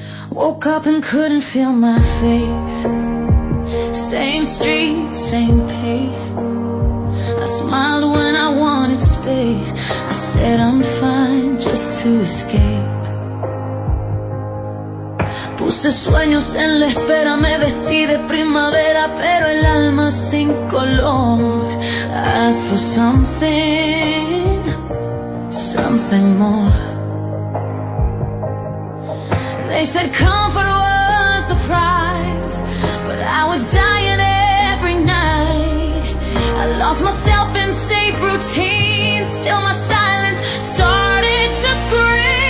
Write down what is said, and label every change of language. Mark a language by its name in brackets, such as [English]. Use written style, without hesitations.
[English] Woke up and couldn't feel my face. Same street, same pace. I smiled when I wanted space. I said I'm fine just to escape. [Spanish] Puse sueños en la espera, me vestí de primavera, pero el alma sin color. [English] Ask for something, something more. They said comfort was the prize, but I was dying every night. I lost myself in safe routines till my silence started to scream.